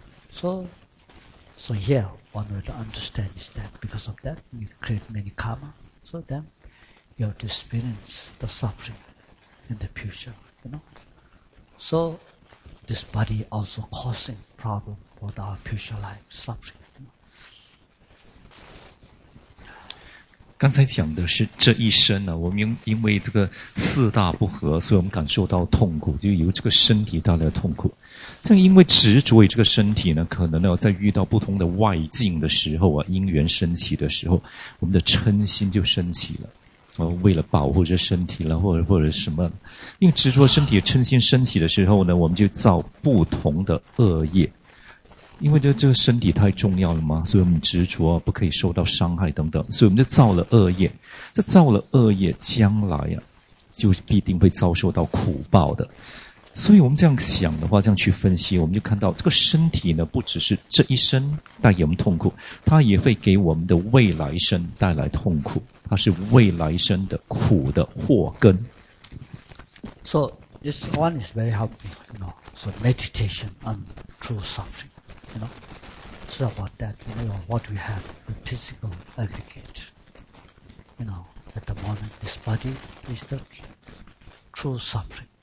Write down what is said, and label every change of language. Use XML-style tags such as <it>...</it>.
<en>So here, one way to understand is that because of that, you create many karma. So then, you have to experience the suffering in the future, you know. So, this body also causing problem for our future life, suffering.</en> <zh>刚才讲的是这一生呢、啊，我们因为这个四大不合，所以我们感受到痛苦，就由这个身体带来的痛苦。像因为执着于这个身体呢，可能呢在遇到不同的外境的时候啊，因缘升起的时候，我们的嗔心就升起了。为了保护这身体了，或者什么，因为执着身体嗔心升起的时候呢，我们就造不同的恶业。因为这个身体太重要了嘛，所以我们执着不可以受到伤害等等，所以我们就造了恶业。这造了恶业，将来啊，就必定会遭受到苦报的。所以我们这样想的话，这样去分析，我们就看到这个身体呢，不只是这一生带给我们痛苦，它也会给我们的未来生带来痛苦，它是未来生的苦的祸根。</zh> <en>So this one is very helpful, you know. So meditation on true suffering. You know, so about that, you know, what we have, the physical aggregate. You know, at the moment, this body is the true suffering.</en>